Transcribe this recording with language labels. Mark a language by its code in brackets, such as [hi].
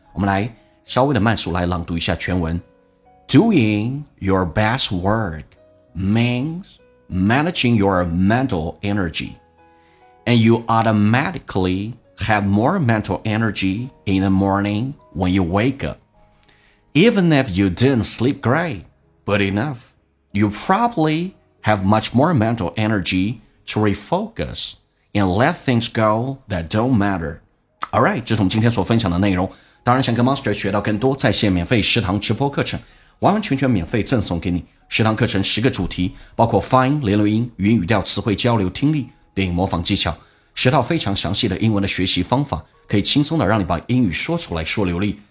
[zh] 我们来稍微的慢速来朗读一下全文。 [en] Doing your best work means managing your mental energy, and you automatically have more mental energy in the morning when you wake up. Even if you didn't sleep great, but enough, you probably have much more mental energy to refocus and let things go that don't matter. All right, [zh] 这是我们今天所分享的内容。当然想跟 Master 学到更多在线免费食堂直播课程，完完全全免费赠送给你。食堂课程十个主题，包括发音、连读音、语音语调、词汇交流、听力、电影模仿技巧，十套非常详细的英文的学习方法，可以轻松的让你把英语说出来说流利。